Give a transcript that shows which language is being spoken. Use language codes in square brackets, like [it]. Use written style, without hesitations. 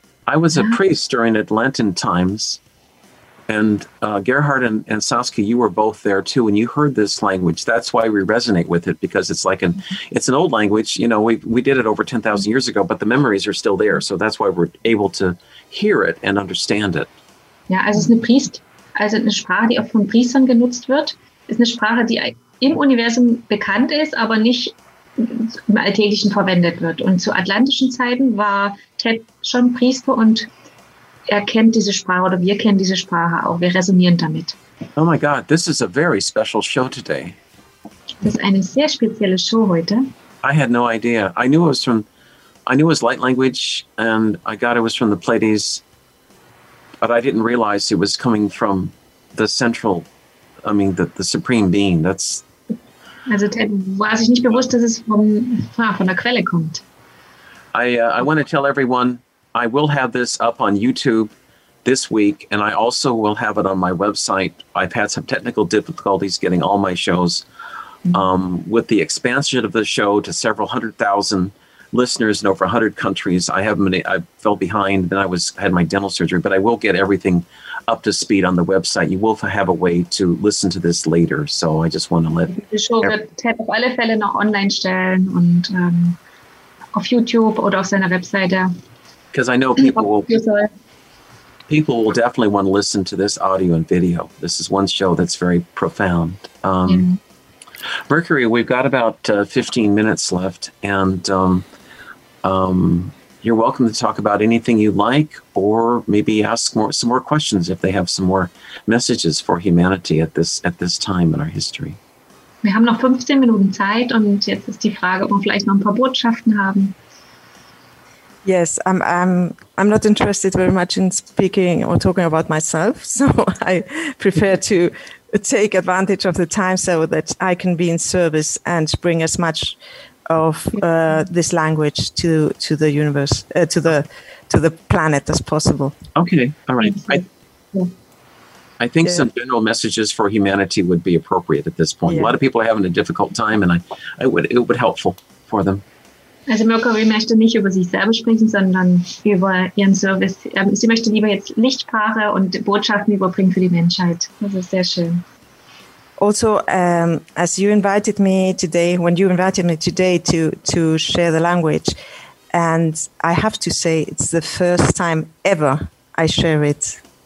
[en] I was a priest during Atlantean times, and Gerhard and Saskia, you were both there too, and you heard this language. That's why we resonate with it, because it's like it's an old language. You know, we did it over 10,000 years ago, but the memories are still there. So that's why we're able to hear it and understand it. [de] Ja, also es ist eine Priest, also eine Sprache, die auch von Priestern genutzt wird. Es ist eine Sprache, die im Universum bekannt ist, aber nicht im Alltäglichen verwendet wird. Und zu atlantischen Zeiten war Ted schon Priester, und er kennt diese Sprache, oder wir kennen diese Sprache auch. Wir resonieren damit. [en] Oh my God, this is a very special show today. [de] Das ist eine sehr spezielle Show heute. [en] I had no idea. I knew it was light language, and I got it was from the Pleiades, but I didn't realize it was coming from the central. I mean, the supreme being, that's... [de] Also, Ted, war sich nicht bewusst, dass es von der Quelle kommt. [en] I want to tell everyone, I will have this up on YouTube, this week, and I also will have it on my website. I've had some technical difficulties getting all my shows. With the expansion of the show to several hundred thousand listeners in over 100 countries, I fell behind. Then I had my dental surgery, but I will get everything up to speed on the website. You will have a way to listen to this later. So I just want to let the show [de] wird auf alle Fälle noch online stellen und auf YouTube oder auf seiner Webseite. [en] Because I know people will definitely want to listen to this audio and video. This is one show that's very profound. Mercury, we've got about 15 minutes left, and you're welcome to talk about anything you like, or maybe ask some more questions if they have some more messages for humanity at this time in our history. [de] Wir haben noch 15 Minuten Zeit, und jetzt ist die Frage, ob wir vielleicht noch ein paar Botschaften haben. [en] Yes, I'm not interested very much in speaking or talking about myself, so I prefer to take advantage of the time so that I can be in service and bring as much of this language to the universe, to the planet as possible. Okay, all right. I think some general messages for humanity would be appropriate at this point. Yeah. A lot of people are having a difficult time, and it would be helpful for them. [de] Also Mercury möchte nicht über sich selber sprechen, sondern über ihren Service. Sie möchte lieber jetzt Lichtsprache und Botschaften überbringen für die Menschheit. Das ist sehr schön. [en] Also, as you invited me today, when you invited me today to share the language, and I have to say, it's the first time ever I share it.